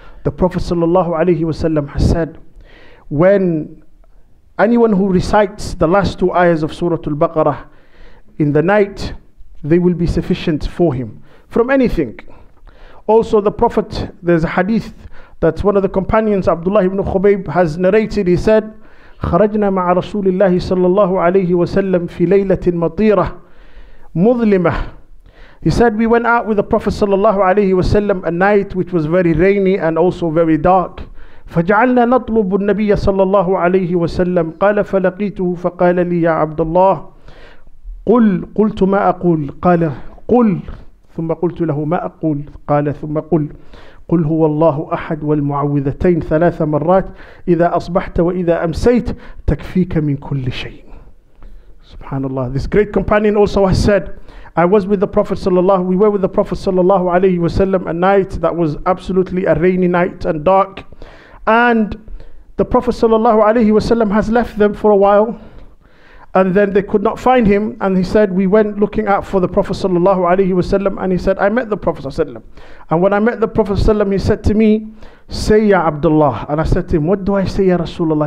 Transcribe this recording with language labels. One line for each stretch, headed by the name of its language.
English: The Prophet sallallahu alayhi wa sallam has said, when anyone who recites the last 2 ayahs of surah al-baqarah in the night, they will be sufficient for him from anything. Also, the Prophet, there's a hadith that one of the companions, Abdullah ibn Khubayb, has narrated. He said,
Arabic: خرجنا مع رسول الله صلى الله عليه وسلم في ليلة مطيرة مظلمة.
English: He said, we went out with the Prophet
Arabic: صلى الله عليه وسلم
English: a night which was very rainy and also very dark.
Arabic: فجعلنا نطلب النبي صلى الله عليه وسلم قال فلقيته فقال لي يا عبد الله قل قلت ما أقول قال قل ثم قلت له ما أقول قال ثم قل قل هو الله أحد والمعوذتين 3 مرات إذا أصبحت وإذا أمسيت تكفيك من كل شيء. Subhanallah.
English: This great companion also has said, we were with the Prophet sallallahu alayhi wa sallam a night that was absolutely a rainy night and dark, and the Prophet sallallahu alayhi wa sallam has left them for a while and then they could not find him, and he said, we went looking out for the Prophet sallallahu alayhi wa sallam, and he said, I met the Prophet sallallahu alayhi wa sallam, and when I met the Prophet sallallahu alayhi wa sallam, he said to me, say ya Abdullah, and I said to him, what do I say ya Rasulullah?